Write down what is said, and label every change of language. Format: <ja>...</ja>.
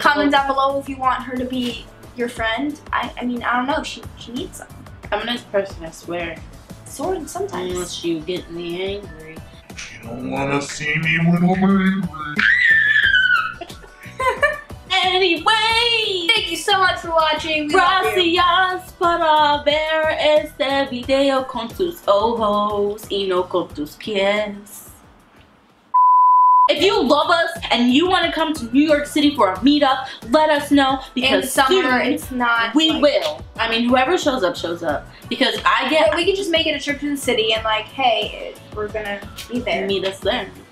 <en>comment down below if you want her to be your friend. I mean, I don't know, she needs some. I'm a nice person, I swear. Sort of, sometimes. Unless you get me angry. You don't wanna see me when I'm angry. Anyway! Thank you so much for watching. We</en> <es>gracias para ver este video con tus ojos y no con tus pies.</es> <en>If you love us and you want to come to New York City for a meetup, let us know. Because in summer, soon, it's not. We like, will. I mean, whoever shows up. Because I get. We can just make it a trip to the city and, like, hey, we're going to be there. Meet us there.</en>